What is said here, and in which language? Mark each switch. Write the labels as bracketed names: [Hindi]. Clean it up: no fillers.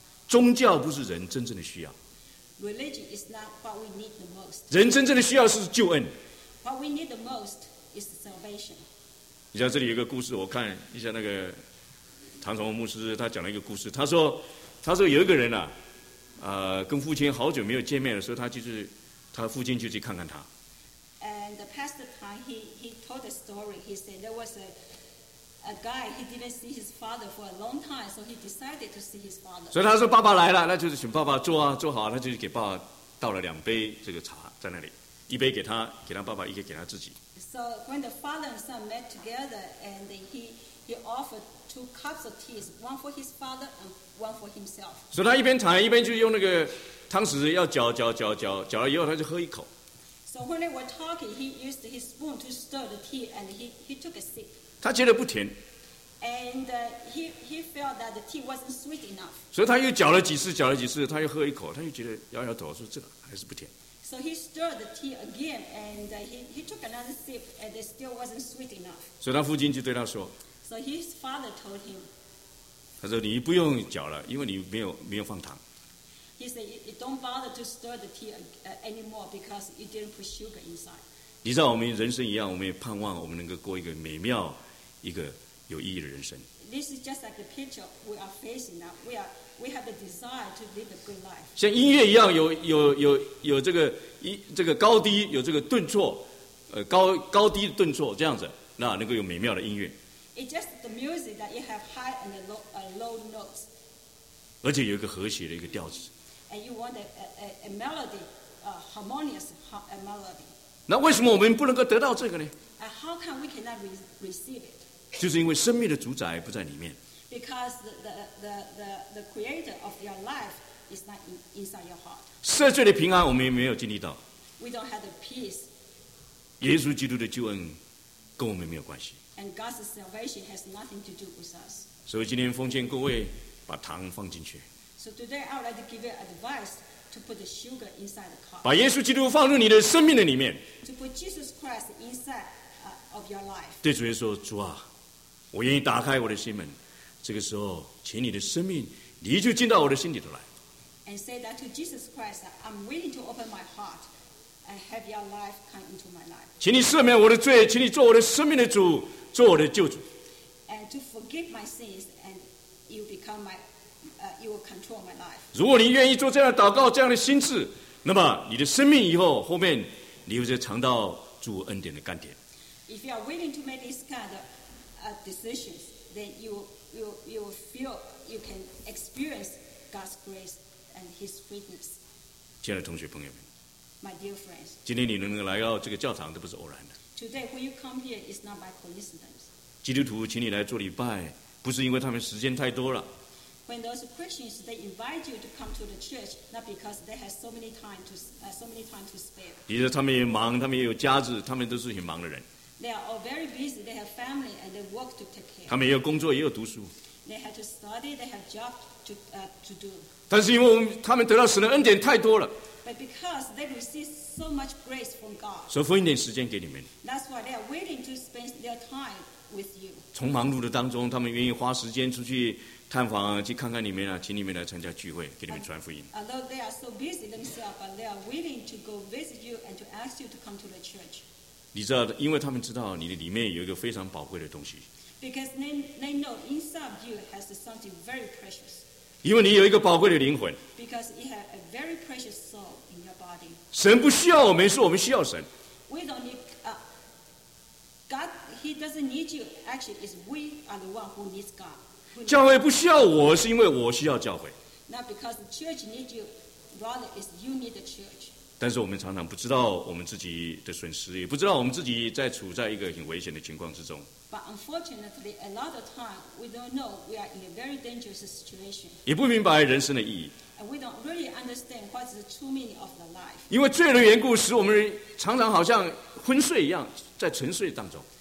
[Chinese] 宗教不是人真正的需要。 [English] Religion is not what we need the most. [Chinese] 人真正的需要是救恩。 [English] What we need the most is salvation. [Chinese] 你知道这里有一个故事，我看一下那个唐崇文牧师他讲了一个故事，他说有一个人啊。跟父亲好久没有见面的时候，他父亲就去看看他。 [English] And the pastor time, he told a story. He said there was a guy he didn't see his father for a long time, so he decided to see his father. [Chinese] 所以他说爸爸来了，那就是请爸爸坐啊，坐好，他就给爸爸倒了两杯这个茶在那里，一杯给他，给他爸爸，一个给他自己。 [English] So when the father and son met together, and he offered two cups of tea, one for his father and One for himself. [Chinese] 所以他一边躺一边就用那个汤匙要搅了以后他就喝一口。 [English] So when they were talking, he used his spoon to stir the tea and he took a sip. [Chinese] 他觉得不甜。 [English] And he felt that the tea wasn't sweet enough. [Chinese] 所以他又搅了几次他又喝一口他又觉得摇摇头说这个还是不甜。 [English] So he stirred the tea again and he took another sip and it still wasn't sweet enough. [Chinese] 所以他父亲就对他说。 [English] So his father told him, [Chinese] 他说：“你不用搅了，因为你没有放糖。” [English] He said, "You don't bother to stir the tea anymore because you didn't put sugar inside." [Chinese] 你知道我们人生一样，我们也盼望我们能够过一个美妙、一个有意义的人生。 [English] This is just like the picture we are facing now. We have the desire to live a good life. [Chinese] 像音乐一样，有这个高低，有这个顿挫，高低的顿挫这样子，那能够有美妙的音乐。 [English] It's just the music that you have high and low notes. [Chinese] 而且有一个和谐的一个调子。 [English] And you want a melody, a harmonious melody. [Chinese] 那为什么我们不能够得到这个呢？ [English] And how come we cannot receive it? [Chinese] 就是因为生命的主宰不在里面。 [English] Because the creator of your life is not inside your heart. [Chinese] 赦罪的平安我们也没有经历到。 [English] We don't have the peace. [Chinese] 耶稣基督的救恩跟我们没有关系。 [English] And God's salvation has nothing to do with us. [Chinese] 所以今天奉劝各位把糖放进去。 [English] So today I would like to give you advice to put the sugar inside the cup. [Chinese] 把耶稣基督放入你的生命的里面。 [English] To put Jesus Christ inside of your life. [Chinese] 对主耶稣说，主啊，我愿意打开我的心门。这个时候，请你的生命，你就进到我的心里头来。 [English] And say that to Jesus Christ, I'm willing to open my heart. And have your life come into my life. [Chinese] 请你赦免我的罪，请你做我的生命的主，做我的救主。 [English] And to forgive my sins, and you become my, you will control my life. [Chinese] 如果你愿意做这样的祷告，这样的心智，那么你的生命以后后面，你就尝到主恩典的甘甜。 [English] If you are willing to make this kind of decisions, then you will feel you can experience God's grace and His sweetness. [Chinese] 亲爱的同学朋友们。 [English] My dear friends, [Chinese] 今天你能来到这个教堂，都不是偶然的。 [English] Today, when you come here, it's not by coincidence. [Chinese] 基督徒请你来做礼拜，不是因为他们时间太多了。 [English] When those Christians they invite you to come to the church, not because they have so many time to spare. [Chinese] 你说他们也忙，他们也有家子，他们都是很忙的人。 [English] They are all very busy. They have family and they work to take care. [Chinese] 他们也有工作，也有读书。 [English] They have to study. They have job to do. [Chinese] 但是因为他们得到神的恩典太多了。 [English] But because they receive so much grace from God. [Chinese] 所以分一点时间给你们。 [English] That's why they are willing to spend their time with you. [Chinese] 从忙碌的当中，他们愿意花时间出去探访，去看看你们啊，请你们来参加聚会，给你们传福音。 [English] Although they are so busy themselves, but they are willing to go visit you and to ask you to come to the church. [Chinese] 你知道，因为他们知道你的里面有一个非常宝贵的东西。 [English] Because they know inside you has something very precious. [Chinese] 因为你有一个宝贵的灵魂。 [English] Because you have a very precious soul in your body. [Chinese] 神不需要我们，是我们需要神。 [English] We don't need God. He doesn't need you. Actually, it's we are the one who needs God. [Chinese] 教会不需要我，是因为我需要教会。 [English] Not because the church needs you. Rather, it's you need the church. [Chinese] 但是我们常常不知道我们自己的损失，也不知道我们自己在处在一个很危险的情况之中。 [English] But unfortunately, a lot of time we don't know we are in a very dangerous situation. [Chinese] 也不明白人生的意义。 [English] And we don't really understand what's the true meaning of the life. [Chinese] 因为罪的缘故，使我们常常好像昏睡一样，在沉睡当中。